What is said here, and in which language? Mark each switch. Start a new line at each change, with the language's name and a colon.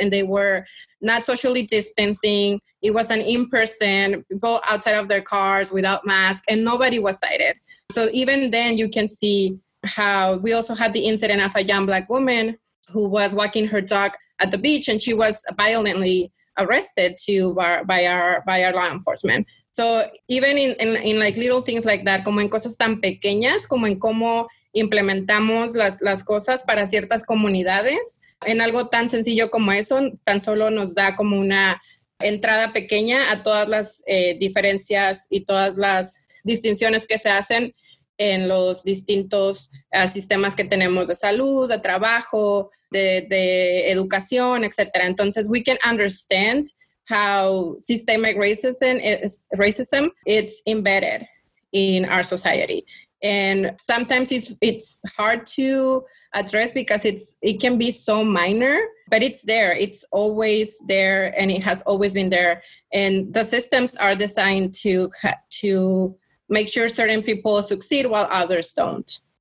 English: And they were not socially distancing. It was an in-person, people outside of their cars without masks, and nobody was cited. So even then you can see how we also had the incident of a young Black woman who was walking her dog at the beach and she was violently arrested too by our law enforcement. So even in like little things like that,
Spanish: como en cosas tan pequeñas, como en cómo implementamos las cosas para ciertas comunidades, en algo tan sencillo como eso, tan solo nos da como una entrada pequeña a todas las diferencias y todas las distinciones que se hacen en los distintos sistemas que tenemos de salud, de trabajo, de educación, etc.
English: Entonces, we can understand how systemic racism it's embedded in our society. And sometimes it's hard to address because it can be so minor, but it's there. It's always there and it has always been there. And the systems are designed to make sure certain people succeed while others don't.